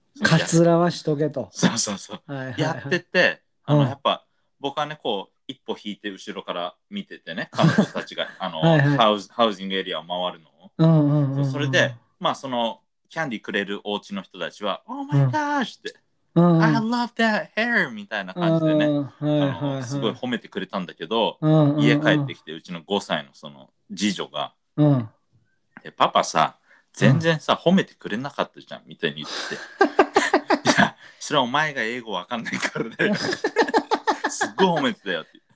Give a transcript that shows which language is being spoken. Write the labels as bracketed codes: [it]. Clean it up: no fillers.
[ja] カツラはしとけと。やってて、やっぱ、僕はね、こう、一歩引いて後ろから見ててね、彼女たちが、ハウジングエリアを回るのを。それで、まあ、その、キャンディくれるお家の人たちは、 [en] Oh my gosh! [ja] って、 [en] I love that hair! [ja] みたいな感じでね、すごい褒めてくれたんだけど、家帰ってきて、うちの5歳のその次女が、パパさ、全然さ、褒めてくれなかったじゃん、みたいに言ってきて。いや、それはお前が英語わかんないからだよ。すっごい褒めてたよって。